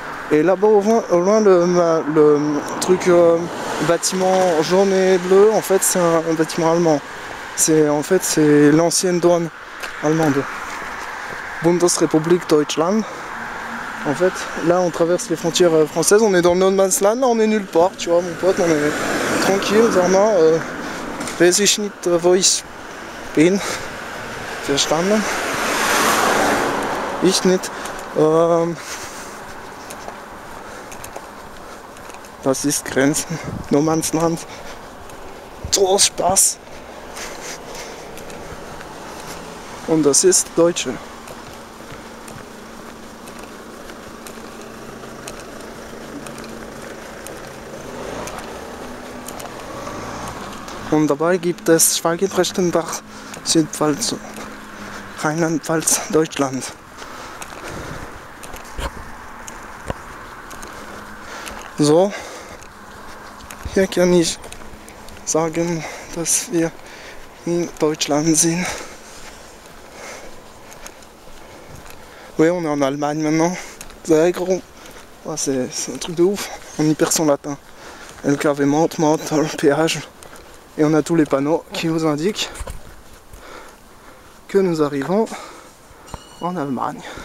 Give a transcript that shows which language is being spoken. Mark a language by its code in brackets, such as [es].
[fr] Et là-bas, au loin, le truc bâtiment jaune et bleu, en fait, c'est un bâtiment allemand. En fait, c'est l'ancienne douane allemande. Bundesrepublik Deutschland. En fait, là, on traverse les frontières françaises, on est dans le No Man's Land, là, on est nulle part, tu vois, mon pote, on est tranquille, vraiment. [de] Weiß ich nicht, wo ich bin. Verstanden? Ich nicht. Das ist Grenzen, No Man's Land. Trop Spaß. Und das ist Deutsche. Und dabei gibt es Schweigen-Rechtenbach, Südpfalz, Rheinland-Pfalz, Deutschland. So. Hier kann ich sagen, dass wir in Deutschland sind. [fr] Oui, on est en Allemagne maintenant. C'est gros. Oh, c'est un truc de ouf. On y perd son latin. LKW monte, monte, le péage. Et on a tous les panneaux qui nous indiquent que nous arrivons en Allemagne.